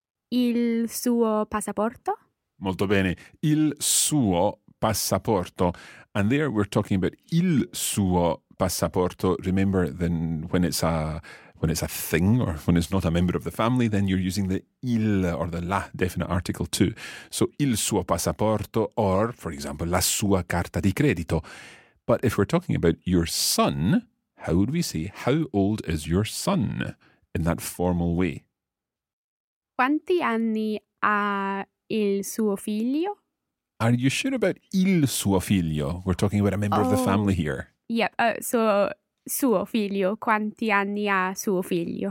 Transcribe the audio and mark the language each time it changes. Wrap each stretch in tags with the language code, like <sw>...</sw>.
<it>Il suo passaporto. Molto bene. Il suo passaporto.</it> <en>And there we're talking about</en> <it>il suo passaporto.</it> <en>Remember, then when it's a thing or when it's not a member of the family, then you're using the il or the la definite article too. So</en> <it>il suo passaporto</it> <en>or, for example,</en> <it>la sua carta di credito.</it> <en>But if we're talking about your son, how would we say, how old is your son in that formal way?</en> <it>Quanti anni ha il suo figlio?</it> <en>Are you sure about</en> <it>il suo figlio?</it> <en>We're talking about a member of the family here. Yep, so</en> <it>suo figlio, quanti anni ha suo figlio?</it>